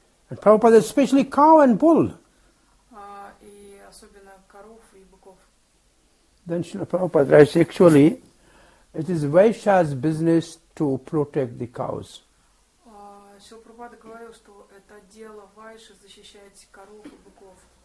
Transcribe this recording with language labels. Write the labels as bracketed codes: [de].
[en] And Prabhupada, especially cow and bull. [ru] И особенно коров и быков. [en] Then Srila Prabhupada writes, actually, it is Vaishya's business to protect the cows. [ru] Шрила Прабхупада говорил, что это дело Вайши защищать коров и быков.